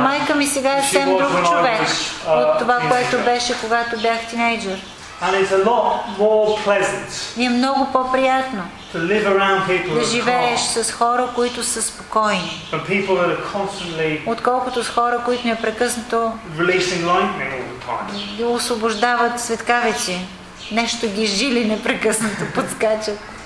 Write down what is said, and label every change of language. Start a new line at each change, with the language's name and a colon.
Bulgarian: майка ми сега е съвсем друг човек от това, което беше, когато бях тинейджър.
English: And it's a lot more pleasant.
Bulgarian: И е много по-приятно.
English: To live around people who are calm.
Bulgarian: Да живееш с хора, които са спокойни.
English: From people that are constantly.
Bulgarian: Отколкото с хора, които непрекъснато.
English: Releasing lightning all the time.
Bulgarian: Освобождават светкавици. Нещо ги жили непрекъснато подскачат.